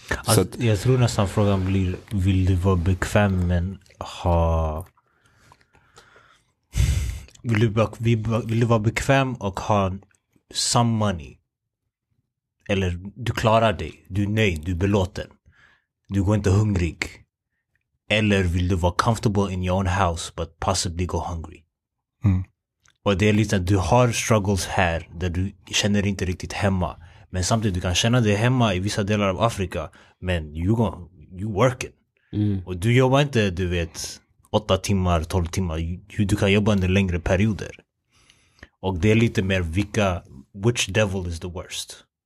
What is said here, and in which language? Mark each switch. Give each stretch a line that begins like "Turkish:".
Swedish: Alltså, så att, jag tror nästan frågan blir, vill du vara bekväm men ha... Vill du vara bekväm och ha
English: some money?
Swedish: Eller du klarar dig, du är nöjd, du är belåten. Du går inte hungrig. Eller vill du vara
English: comfortable in your own house but possibly go hungry? Mm.
Swedish: Och det är lite att du har struggles här där du känner inte riktigt hemma. Men samtidigt du kan känna dig hemma i vissa delar av Afrika.
English: Men you working. Mm.
Swedish: Och du jobbar inte, du vet, 8 timmar, 12 timmar. Du kan jobba under längre perioder. Och det är lite mer vilka,
English: which devil is the worst?